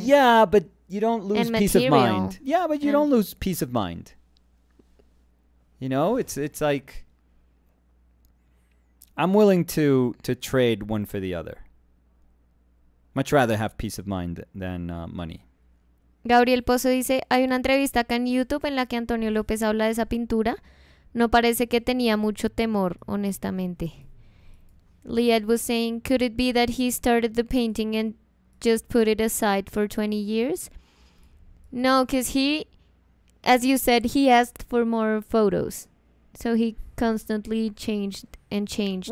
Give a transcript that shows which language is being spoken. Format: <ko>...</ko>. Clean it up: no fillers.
<en>Yeah, but you don't lose peace of mind. Yeah, but you don't lose peace of mind. You know, it's like I'm willing to trade one for the other. Much rather have peace of mind than money.</en> <es>Gabriel Pozo dice, hay una entrevista acá en YouTube en la que Antonio López habla de esa pintura. No parece que tenía mucho temor, honestamente.</es> <en>Liad was saying, could it be that he started the painting and just put it aside for 20 years? No, because he, as you said, he asked for more photos. So he constantly changed and changed.</en>